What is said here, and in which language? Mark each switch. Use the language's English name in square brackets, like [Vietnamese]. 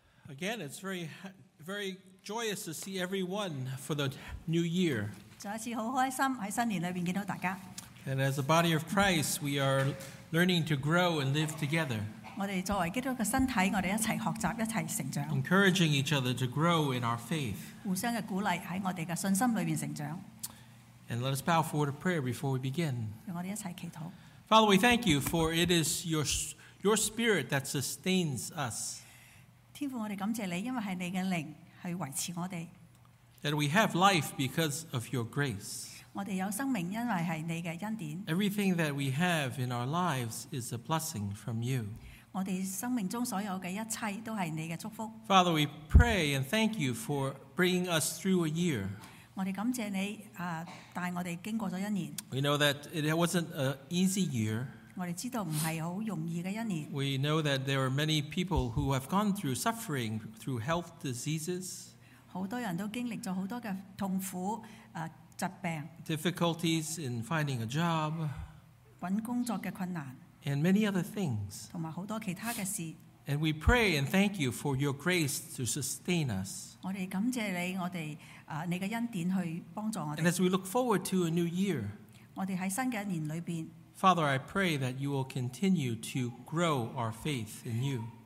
[English] Again, it's very, very joyous to see everyone for the new year. [Chinese] 再一次很开心在新年里面见到大家。 [English] And as a body of Christ, we are learning to grow and live together. [Chinese] 我们作为基督的身体，我们一起学习，一起成长。 [English] Encouraging each other to grow in our faith. [Chinese] 互相的鼓励，在我们的信心里面成长。 [English] And let us bow forward to prayer before we begin. [Chinese] 让我们一起祈祷。 [English] Father, we thank you for it is your spirit that sustains us. [Chinese] 天父，我们感谢你，因为是你的灵去维持我们。 [English] That we have life because of your grace. [Chinese] 我们有生命，因为是你的恩典。 [English] Everything that we have in our lives is a blessing from you. [Chinese] 我们生命中所有的一切都是你的祝福。 [English] Father, we pray and thank you for bringing us through a year. [Chinese] 我们感谢你带我们经过了一年。 [English] We know that it wasn't an easy year. [Chinese] 我们知道不是很容易的一年。 [English] We know that there are many people who have gone through suffering through health diseases. [Chinese] 很多人都经历了很多的痛苦。 [English] Difficulties in finding a job, and many other things. And we pray and thank you for your grace to sustain us. And as we look forward to a new year, Father, I pray that you will continue to grow our faith in you.